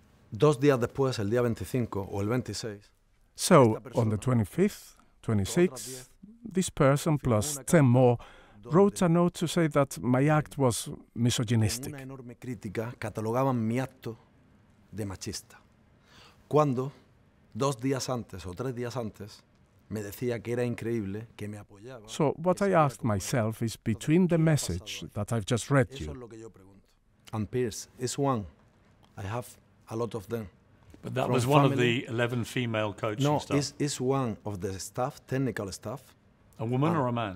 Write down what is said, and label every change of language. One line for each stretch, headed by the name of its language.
Spanish: Dos días después, el día 25 o el 26.
English: So, on the 25th, 26th, this person plus 10 more wrote a note to say that my act was misogynistic.
Spanish: Una enorme crítica catalogaban mi acto de machista. Cuando, dos días antes o tres días antes, me decía que era increíble que me apoyaba.
English: So, what I asked myself is between the message that I've just read you.
Spanish: Eso es lo que yo pregunto.
English: And Piers, it's one I have. A lot of them. But that was one of the 11 female coaching staff. No, is one of the staff, technical staff. A woman or a man?